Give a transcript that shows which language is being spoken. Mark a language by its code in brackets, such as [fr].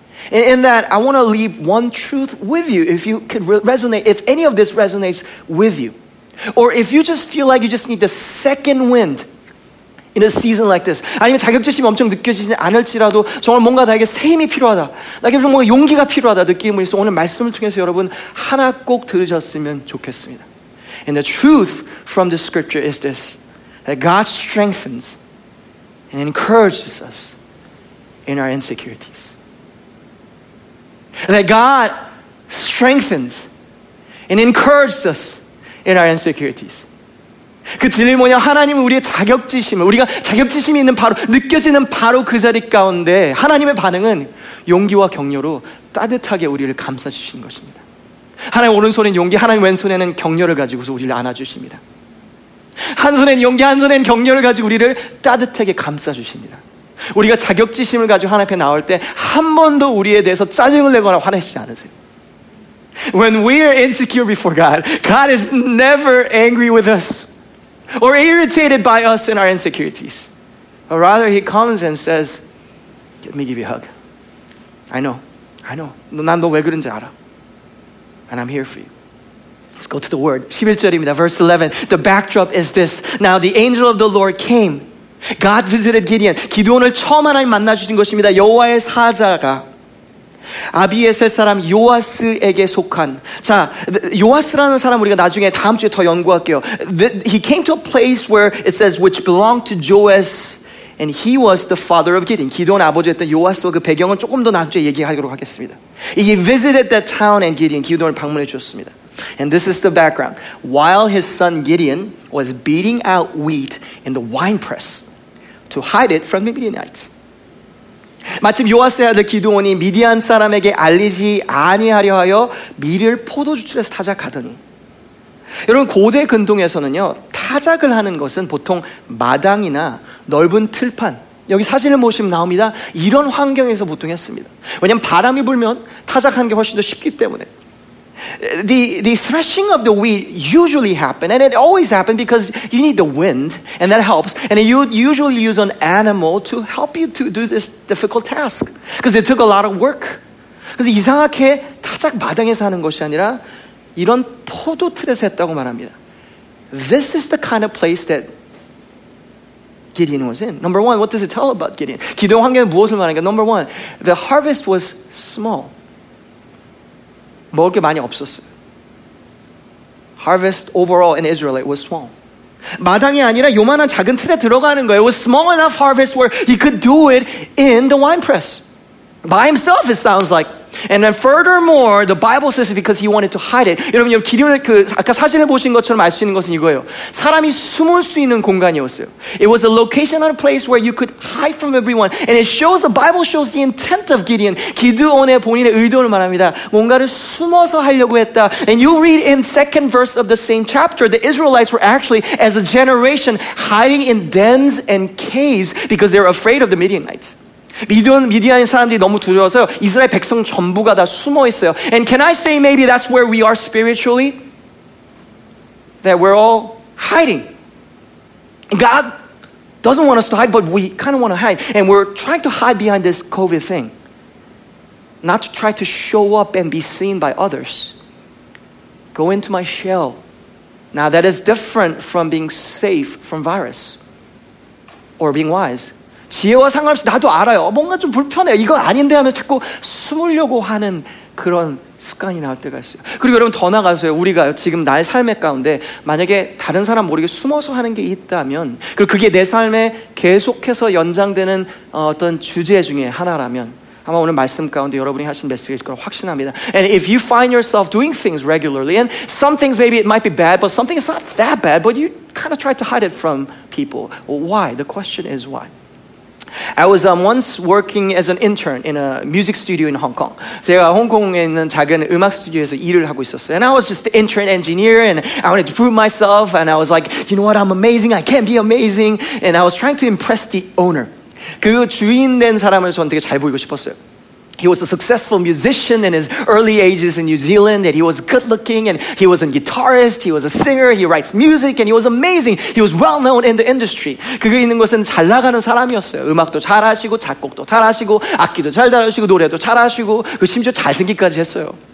[en] In that, I want to leave one truth with you. If you could resonate, if any of this resonates with you, or if you just feel like you just need the second wind in a season like this. [ko] 아니면 자격지심이 엄청 느껴지지 않을지라도 정말 뭔가 나에게 새 힘이 필요하다. 나에게 뭔가 용기가 필요하다 느끼는 분이 있어. 오늘 말씀을 통해서 여러분 하나 꼭 들으셨으면 좋겠습니다. [en] And the truth from the scripture is this. That God strengthens and encourages us in our insecurities. That God strengthens and encourages us in our insecurities. [ko] 그 진리는 뭐냐? 하나님은 우리의 자격지심을 우리가 자격지심이 있는 바로 느껴지는 바로 그 자리 가운데 하나님의 반응은 용기와 격려로 따뜻하게 우리를 감싸주시는 것입니다. 하나님 오른손에는 용기, 하나님 왼손에는 격려를 가지고서 우리를 안아주십니다. 한 손에는 용기, 한 손에는 격려를 가지고 우리를 따뜻하게 감싸주십니다. 우리가 자격지심을 가지고 하나님 앞에 나올 때 한 번도 우리에 대해서 짜증을 내거나 화내시지 않으세요. [en] When we are insecure before God, God is never angry with us. Or irritated by us in our insecurities. But rather, he comes and says, let me give you a hug. I know. [ko] 난 너 왜 그런지 알아. [en] And I'm here for you. Let's go to the word. [ko] 11절입니다. [en] Verse 11. The backdrop is this. Now the angel of the Lord came. God visited Gideon. [ko] 기드온을 처음 하나님 만나주신 것입니다. 여호와의 사자가. 아비에셀 사람 요아스에게 속한 자 요아스라는 사람 우리가 나중에 다음 주에 더 연구할게요. [en] He came to a place where it says which belonged to Joas and he was the father of Gideon. [ko] 기드온 아버지였던 요아스와 그 배경을 조금 더 나중에 얘기하도록 하겠습니다. [en] He visited that town and Gideon [ko] 기드온을 방문해 주었습니다. [en] And this is the background. While his son Gideon was beating out wheat in the wine press to hide it from the Midianites. [ko] 마침 요아스의 아들 기드온이 미디안 사람에게 알리지 아니하려 하여 밀을 포도주틀에서 타작하더니 여러분 고대 근동에서는요 타작을 하는 것은 보통 마당이나 넓은 틀판 여기 사진을 보시면 나옵니다 이런 환경에서 보통 했습니다 왜냐하면 바람이 불면 타작하는 게 훨씬 더 쉽기 때문에 [en] The threshing of the wheat usually happened, and it always happened because you need the wind, and that helps. And you usually use an animal to help you to do this difficult task because it took a lot of work. [ko] 근데 이상하게 타작 마당에서 하는 것이 아니라 이런 포도 틀에서 했다고 말합니다. [en] This is the kind of place that Gideon was in. Number one, what does it tell about Gideon? [ko] 기도 환경 무엇을 말하는가? [en] Number one, the harvest was small. [ko] 먹을 게 많이 없었어요. [en] Harvest overall in Israel, it was small. [ko] 마당이 아니라 요만한 작은 틀에 들어가는 거예요. [en] It was small enough harvest where he could do it in the wine press. By himself, it sounds like. And then furthermore, the Bible says because he wanted to hide it. [ko] 여러분, 여러분 기도원의 그 아까 사진을 보신 것처럼 알 수 있는 것은 이거예요. 사람이 숨을 수 있는 공간이었어요. [en] It was a location and a place where you could hide from everyone. And it shows, the Bible shows the intent of Gideon. [ko] 기드온의 본인의 의도를 말합니다. 뭔가를 숨어서 하려고 했다. [en] And you read in second verse of the same chapter, the Israelites were actually, as a generation, hiding in dens and caves because they were afraid of the Midianites. [ko] 미디안인 사람들이 너무 두려워서 이스라엘 백성 전부가 다 숨어 있어요. [en] And can I say maybe that's where we are spiritually? That we're all hiding. God doesn't want us to hide, but we kind of want to hide. And we're trying to hide behind this COVID thing. Not to try to show up and be seen by others. Go into my shell. Now that is different from being safe from virus. Or being wise. [ko] 지혜와 상관없이 나도 알아요. 뭔가 좀 불편해요. 이거 아닌데 하면 자꾸 숨으려고 하는 그런 습관이 나올 때가 있어요. 그리고 여러분 더 나가서요. 우리가 지금 나의 삶의 가운데 만약에 다른 사람 모르게 숨어서 하는 게 있다면 그리고 그게 내 삶에 계속해서 연장되는 어떤 주제 중에 하나라면 아마 오늘 말씀 가운데 여러분이 하신 메시지일 거라고 확신합니다. [en] And if you find yourself doing things regularly and some things maybe it might be bad but some things not that bad but you kind of try to hide it from people. Well, why? The question is why? I was once working as an intern in a music studio in Hong Kong. [ko] 제가 홍콩에 있는 작은 음악 스튜디오에서 일을 하고 있었어요. [en] And I was just the intern engineer and I wanted to prove myself and I was like, you know what, I'm amazing, I can be amazing. And I was trying to impress the owner. [ko] 그 주인 된 사람을 저는 되게 잘 보이고 싶었어요. [en] He was a successful musician in his early ages in New Zealand and he was good looking and he was a guitarist, he was a singer, he writes music and he was amazing. He was well known in the industry. [ko] 그게 있는 것은 잘 나가는 사람이었어요. 음악도 잘 하시고 작곡도 잘 하시고 악기도 잘 다루시고 노래도 잘 하시고 그 심지어 잘생기까지 했어요.